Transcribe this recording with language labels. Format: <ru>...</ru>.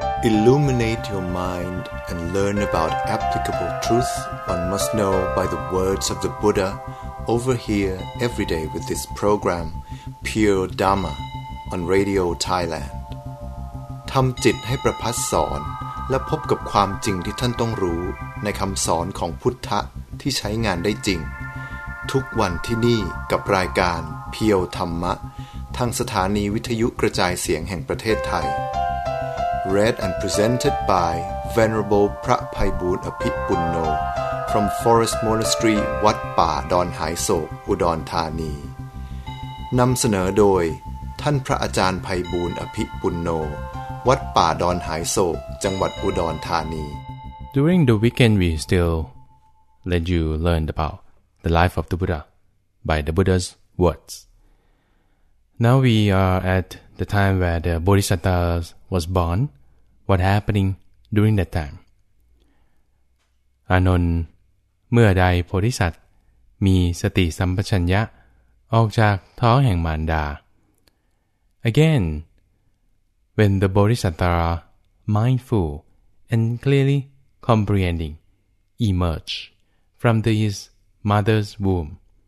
<en>Illuminate your mind and learn about applicable truth one must know by the words of the Buddha over here every day with this program, Pure Dharma, on Radio Thailand.</en> <th>ทำจิตให้ประพัสสอนและพบกับความจริงที่ท่านต้องรู้ในคำสอนของพุทธะที่ใช้งานได้จริงทุกวันที่นี่กับรายการเพียวธรรมะทางสถานีวิทยุกระจายเสียงแห่งประเทศไทย</th> <en>Read and presented by Venerable</en> <th>พระไพบูลย์อภิปุณโญ</th> <en>from Forest Monastery</en> <th>วัดป่าดอนหายโศกอุดรธานีนำเสนอโดยท่านพระอาจารย์ไพบูลย์อภิปุณโญวัดป่าดอนหายโศกจังหวัดอุดรธานี</th> <en>During the weekend we still let you learn aboutThe life of the Buddha by the Buddha's words. Now we are at the time where the Bodhisattva was born. What happening during that time? Anon,</en> <th>เมื่อใดโพธิสัตว์มีสติสัมปชัญญะออกจากท้องแห่งมารดา</th> <en>Again, when the Bodhisattva are mindful and clearly comprehending emerge from theseMother's womb.</en>